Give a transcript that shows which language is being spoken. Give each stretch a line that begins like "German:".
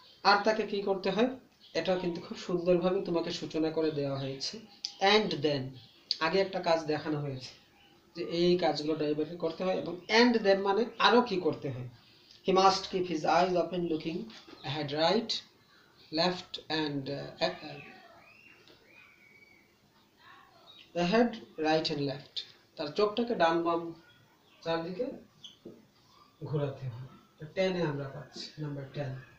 Bangla: আর তাকে কী করতে হয়? এটা কিন্তু খুব সুন্দরভাবে তোমাকে সূচনা করে দেওয়া হয়েছে।
English: and then,
Bangla: আগে একটা কাজ দেখানো হয়েছে যে এই কাজগুলো ড্রাইভারকে করতে হয়, এবং অ্যান্ড দেন মানে আরও কী করতে হয়।
English: he must keep his eyes open looking ahead right left and the head right and left
Bangla: তার চোখটাকে ডান বাম চারদিকে ঘোরাতে হবে তো 10 এ আমরা পাচ্ছি নাম্বার 10